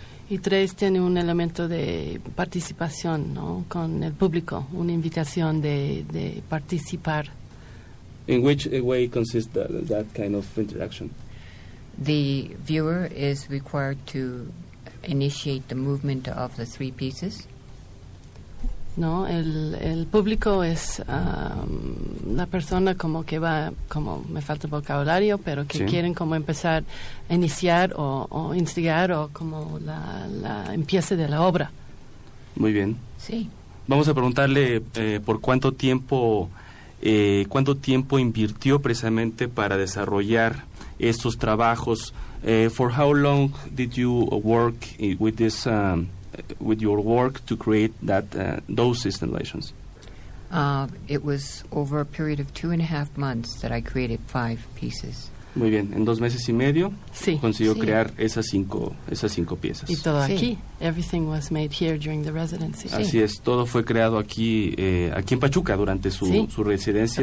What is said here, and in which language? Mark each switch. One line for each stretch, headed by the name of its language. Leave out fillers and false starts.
Spanish: Y 3 tiene un elemento de participación, ¿no? Con el público, una invitación de participar.
English: In which way consists that kind of interaction? The viewer is required to initiate the movement of the 3 pieces.
Spanish: No, el público es la persona como que va, como me falta vocabulario, pero que sí. Quieren como empezar, iniciar o instigar o como la empiece de la obra. Muy bien. Sí. Vamos a preguntarle por cuánto tiempo invirtió precisamente para desarrollar estos trabajos.
English: For how long did you work with this with your work to create that those installations? It was over a period of 2.5 months that I created 5 pieces.
Spanish: Muy bien, en 2 meses y medio sí. Consiguió sí. Crear esas cinco piezas. Y todo sí.
English: Aquí, everything was made here during the residency.
Spanish: Así sí. Es, todo fue creado aquí en Pachuca durante su residencia